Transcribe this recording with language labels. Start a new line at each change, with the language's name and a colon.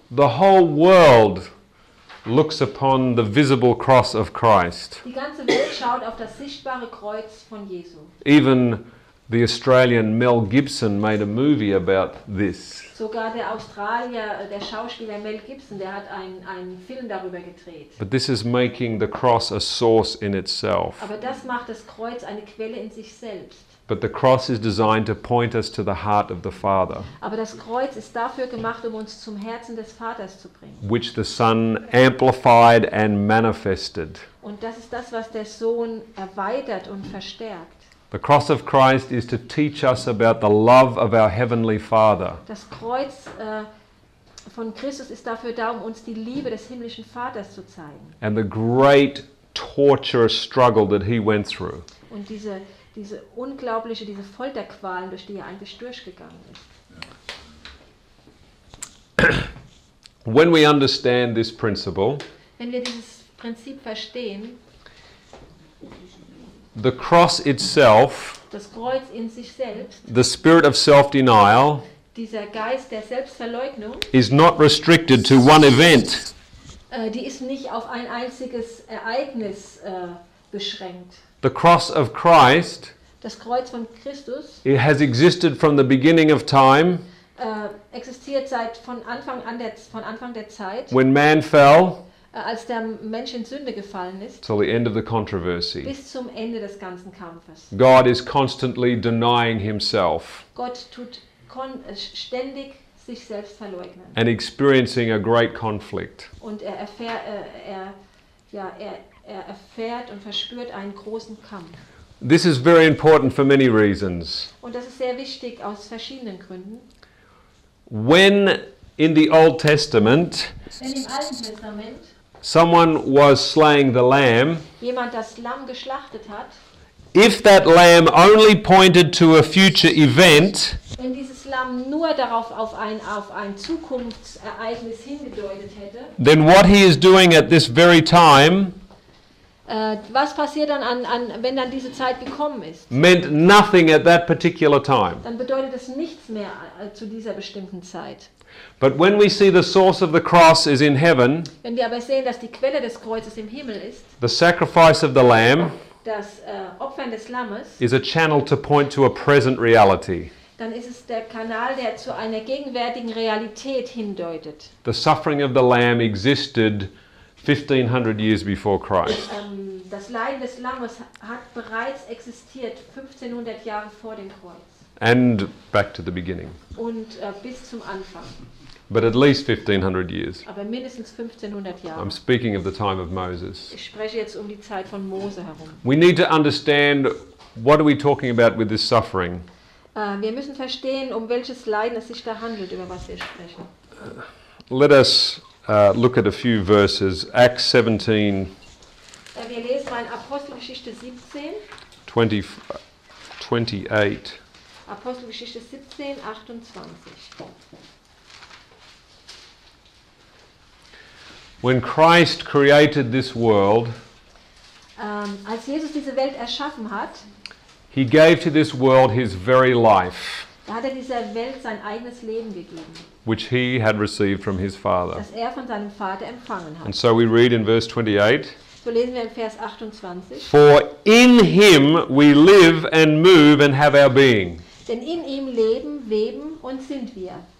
English: The whole world looks upon the visible cross of Christ.
German: Die ganze Welt schaut auf das sichtbare Kreuz von Jesu.
English: Even the Australian Mel Gibson made a movie about this.
German: Sogar der Australier, der Schauspieler Mel Gibson, der hat einen Film darüber gedreht.
English: But this is making the cross a source in itself.
German: Aber das macht das Kreuz eine Quelle in sich selbst.
English: But the cross is designed to point us to the heart of the Father.
German: Aber das Kreuz ist dafür gemacht, um uns zum Herzen des Vaters zu bringen.
English: Which the Son amplified and manifested.
German: Und das ist das, was der Sohn erweitert und verstärkt.
English: The cross of Christ is to teach us about the love of our heavenly Father.
German: Das Kreuz von Christus ist dafür da, um uns die Liebe des himmlischen Vaters zu zeigen.
English: And the great torturous struggle that he went through.
German: Und diese Folterqualen, durch die er eigentlich durchgegangen ist.
English: When we understand this principle,
German: wenn wir dieses Prinzip verstehen,
English: the cross itself,
German: das Kreuz in sich selbst,
English: the spirit of self-denial,
German: dieser Geist der Selbstverleugnung,
English: is not restricted to one event.
German: Die ist nicht auf ein einziges Ereignis beschränkt.
English: The cross of Christ,
German: das Kreuz von Christus,
English: it has existed from the beginning of time.
German: existiert seit von Anfang an der Zeit.
English: When man fell,
German: als der Mensch in Sünde gefallen ist,
English: till the end of the controversy,
German: bis zum Ende des ganzen Kampfes.
English: God is constantly denying himself.
German: Gott tut ständig sich selbst verleugnen.
English: And experiencing a great conflict.
German: Und er erfährt und verspürt einen großen Kampf.
English: This is very important for many reasons.
German: Und das ist sehr wichtig aus verschiedenen Gründen.
English: When in the Old Testament,
German: wenn im Alten Testament
English: someone was slaying the lamb,
German: jemand das Lamm geschlachtet hat,
English: if that lamb only pointed to a future event,
German: wenn dieses Lamm nur darauf auf ein Zukunftsereignis hingedeutet hätte,
English: then what he is doing at this very time,
German: was passiert dann an wenn dann diese Zeit gekommen ist,
English: meant nothing at that particular time,
German: dann bedeutet es nichts mehr zu dieser bestimmten Zeit.
English: But when we see the source of the cross is in heaven,
German: wenn wir aber sehen, dass die Quelle des Kreuzes im Himmel ist,
English: the sacrifice of the lamb,
German: das Opfern des Lammes,
English: is a channel to point to a present reality,
German: dann ist es der Kanal, der zu einer gegenwärtigen Realität hindeutet.
English: The suffering of the lamb existed 1500 years before Christ.
German: Das Leiden des Lammes hat bereits existiert 1500 Jahre vor dem Kreuz.
English: And back to the beginning.
German: Und bis zum Anfang.
English: But at least 1500 years.
German: Aber mindestens 1500 Jahre.
English: I'm speaking of the time of Moses.
German: Ich spreche jetzt die Zeit von Mose herum.
English: We need to understand, what are we talking about with this suffering?
German: Wir müssen verstehen, welches Leiden es sich da handelt, über was wir sprechen.
English: Let us look at a few verses. Acts 17.
German: Wir lesen mal in Apostelgeschichte 17.
English: 28.
German: Apostelgeschichte 17, 28.
English: When Christ created this world,
German: als Jesus diese Welt erschaffen hat,
English: he gave to this world his very life,
German: da hat er dieser Welt sein eigenes Leben gegeben,
English: which he had received from his Father.
German: Das er von seinem Vater empfangen hat.
English: And so we read in verse 28,
German: so lesen wir in Vers 28,
English: for in him we live and move and have our being.
German: Denn in ihm leben, weben und sind wir.